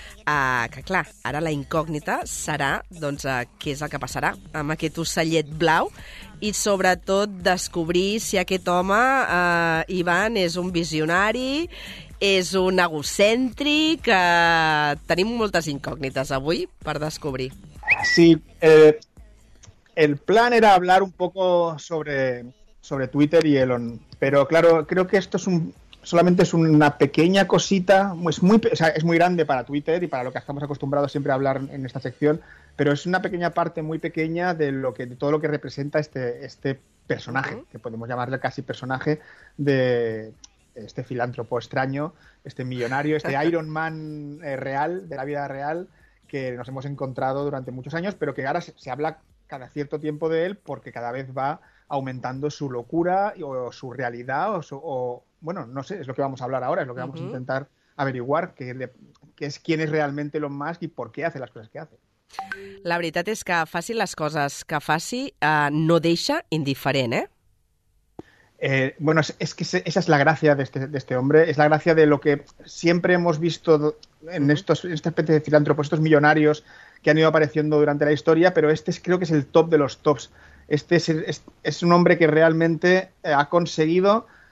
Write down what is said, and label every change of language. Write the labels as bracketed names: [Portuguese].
[Catalan] Que clar, ara la incògnita serà doncs, què és el que passarà amb aquest ocellet blau i sobretot descobrir si aquest home, Ivan, és un visionari, és un egocèntric. Tenim moltes incògnites avui per descobrir. [Spanish] Sí, el plan era hablar un poco sobre Twitter y Elon, pero claro, creo que esto es un... Solamente es una pequeña cosita, es muy grande para Twitter y para lo que estamos acostumbrados siempre a hablar en esta sección, pero es una pequeña parte muy pequeña de todo lo que representa este personaje, que podemos llamarle casi personaje, de este filántropo extraño, este millonario, este Iron Man real, de la vida real, que nos hemos encontrado durante muchos años, pero que ahora se habla cada cierto tiempo de él porque cada vez va aumentando su locura o su realidad Bueno, no sé, es lo que vamos a hablar ahora, es lo que vamos a intentar averiguar, quién es realmente Elon Musk y por qué hace las cosas que hace. [Catalan] La veritat és que faci les coses que faci, no deixa indiferent, ¿eh? [Spanish] Bueno, es que esa es la gracia de este hombre, es la gracia de lo que siempre hemos visto en esta especie de filántropos, estos millonarios que han ido apareciendo durante la historia, pero este creo que es el top de los tops. Este es un hombre que realmente ha conseguido...